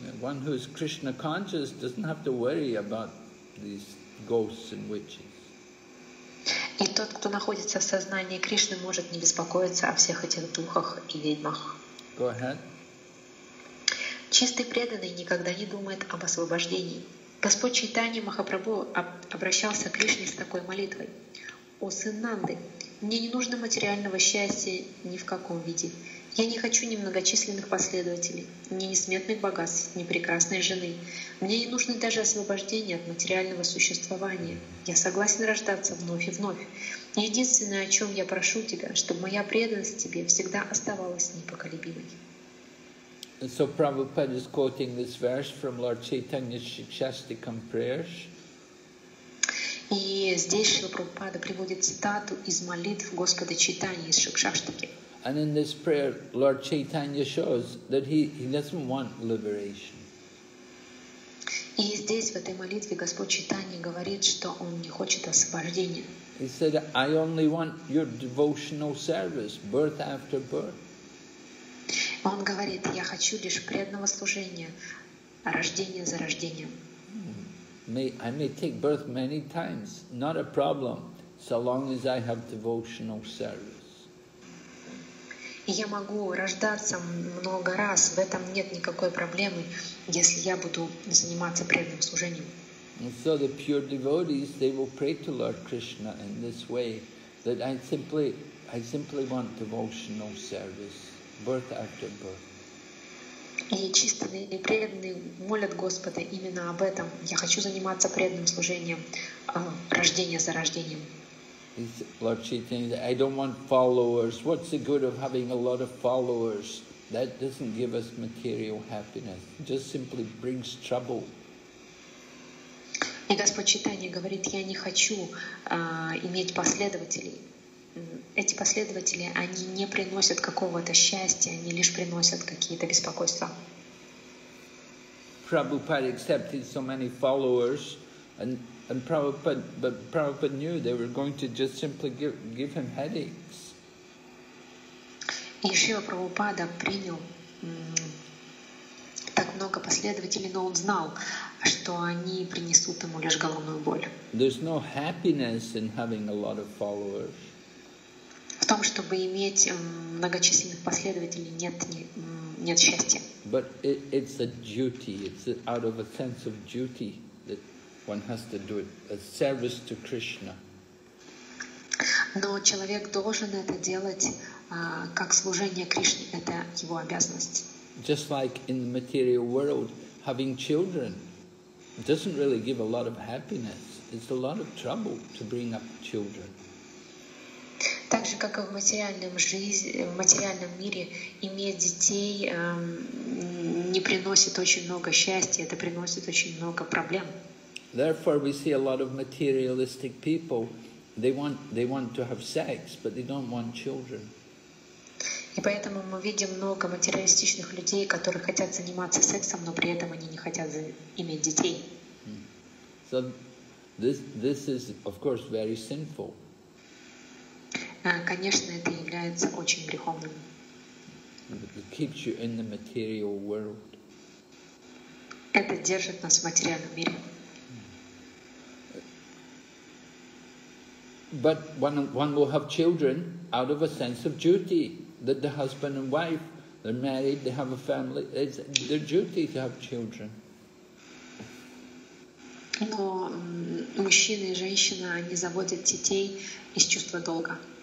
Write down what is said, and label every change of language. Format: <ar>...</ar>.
<en>One who is Krishna conscious doesn't have to worry about these ghosts and witches.</en> <ru>И тот, кто находится в сознании Кришны, может не беспокоиться о всех этих духах и ведьмах.</ru> <en>Go ahead.</en> <ru>Чистый преданный никогда не думает об освобождении. Господь Чайтанья Махапрабху обращался к Кришне с такой молитвой: «О сын Нанды, мне не нужно материального счастья ни в каком виде. Я не хочу ни многочисленных последователей, ни несметных богатств, ни прекрасной жены. Мне не нужно даже освобождения от материального существования. Я согласен рождаться вновь и вновь. Единственное, о чем я прошу тебя, чтобы моя преданность тебе всегда оставалась непоколебимой».</ru> <en>So Prabhupada is quoting this verse from Lord Chaitanya's Shikshastikam prayers.</en> <ru>И здесь Шрила Прабхупада приводит цитату из молитв Господа Чайтаньи из Шикшаштики.</ru> <en>And in this prayer, Lord Chaitanya shows that he doesn't want liberation.</en> <ru>И здесь, в этой молитве, Господь Чайтанья говорит, что он не хочет освобождения.</ru> <en>He said, I only want your devotional service, birth after birth.</en> <ru>Он говорит, я хочу лишь преданного служения, рождение за рождением.</ru> <en>I may take birth many times, not a problem, so long as I have devotional service.</en> <ru>Я могу рождаться много раз, в этом нет никакой проблемы, если я буду заниматься преданным служением.</ru> <en>And so the pure devotees, they will pray to Lord Krishna in this way, that I simply want devotional service, birth after birth.</en> <ru>И чистые и преданные молят Господа именно об этом. Я хочу заниматься преданным служением, рождение за рождением.</ru> <en>Lord Chaitanya, I don't want followers. What's the good of having a lot of followers? That doesn't give us material happiness. It just simply brings trouble.</en> <ru>И Господь Чайтанья говорит, я не хочу иметь последователей. Эти последователи, они не приносят какого-то счастья, они лишь приносят какие-то беспокойства.</ru> <en>Prabhupada accepted so many followers, but Prabhupada knew they were going to just simply give him headaches.</en> <ru>И Шрила Прабхупада принял так много последователей, но он знал, что они принесут ему лишь головную боль.</ru> <en>There's no happiness in having a lot of followers.</en> <ru>том, чтобы иметь многочисленных последователей, нет счастья.</ru> <en>But it's a duty. It's out of a sense of duty that one has to do it, a service to Krishna.</en> <ru>Но человек должен это делать как служение Кришне. Это его обязанность.</ru> <en>Just like in the material world, having children doesn't really give a lot of happiness. It's a lot of trouble to bring up children.</en> <ru>Так же, как и в материальном жизни, в материальном мире, иметь детей не приносит очень много счастья, это приносит очень много проблем.</ru> <en>Therefore, we see a lot of materialistic people, they want to have sex, but they don't want children.</en> <ru>И поэтому мы видим много материалистичных людей, которые хотят заниматься сексом, но при этом они не хотят иметь детей.</ru> <en>So this is, of course, very sinful.</en> <ru>Конечно, это является очень греховным.</ru> <en>It keeps you in the material world.</en> <ru>Это держит нас в материальном мире.</ru> <en>But one will have children out of a sense of duty. That the husband and wife, they're married, they have a family, it's their duty to have children.</en> <ru>Но мужчина и женщина, они заводят детей из чувства долга.</ru>